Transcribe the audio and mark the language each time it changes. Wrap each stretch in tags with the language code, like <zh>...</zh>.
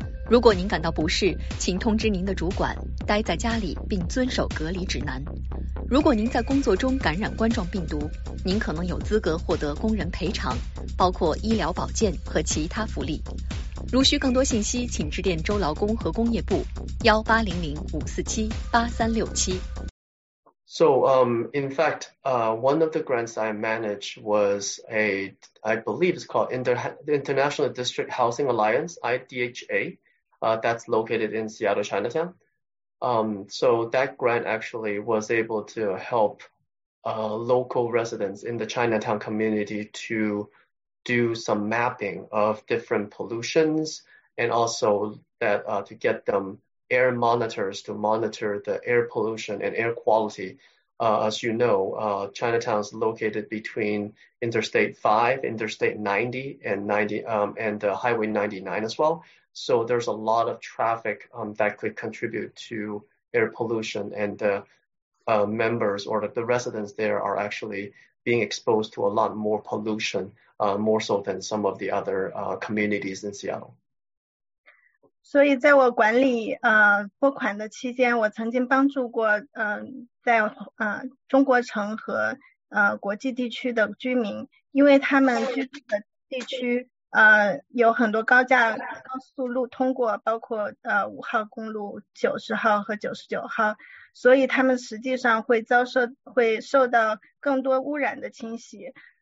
<zh>如果您感到不适，请通知您的主管，待在家里并遵守隔离指南。如果您在工作中感染冠状病毒，您可能有资格获得工人赔偿，包括医疗保健和其他福利。如需更多信息，请致电州劳工和工业部1-800-547-8367。</zh> <en>So, in fact, one of the grants I manage was I believe it's called International District Housing Alliance, IDHA, that's located in Seattle, Chinatown. So that grant actually was able to help local residents in the Chinatown community to do some mapping of different pollutions and also that to get them air monitors to monitor the air pollution and air quality. As you know, Chinatown is located between Interstate 5, Interstate 90, and Highway 99 as well. So there's a lot of traffic that could contribute to air pollution, and the members or the residents there are actually being exposed to a lot more pollution, more so than some of the other communities in Seattle.</en> <zh>所以在我管理拨款的期间，我曾经帮助过在中国城和国际地区的居民，因为他们居住的地区有很多高架高速路通过，包括五号公路、90号和99号，所以他们实际上会受到更多污染的侵袭。</zh>